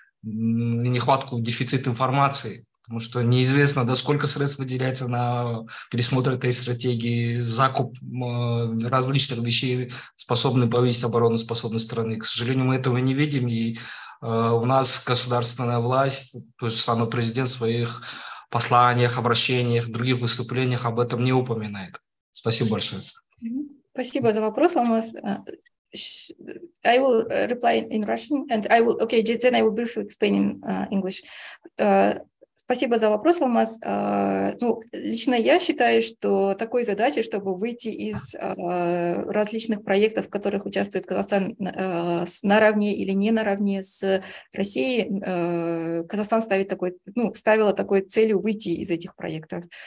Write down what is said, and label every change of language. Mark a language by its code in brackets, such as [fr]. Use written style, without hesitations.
[ru] нехватку, дефицит информации, потому что неизвестно, до сколько средств выделяется на пересмотр этой стратегии, закуп различных вещей, способных повысить обороноспособность страны. К сожалению, мы этого не видим, и у нас государственная власть, то есть самый президент в своих посланиях, обращениях, других выступлениях об этом не упоминает. Спасибо большое. Спасибо за вопрос. [en] I will reply in Russian, and I will, okay, then I will briefly explain in English. [ru] Спасибо за вопрос, Алмаз. Ну, лично я считаю, что такой задачи, чтобы выйти из различных проектов, в которых участвует Казахстан наравне или не наравне с Россией, Казахстан ставит такой, ну, ставила такой целью выйти из этих проектов.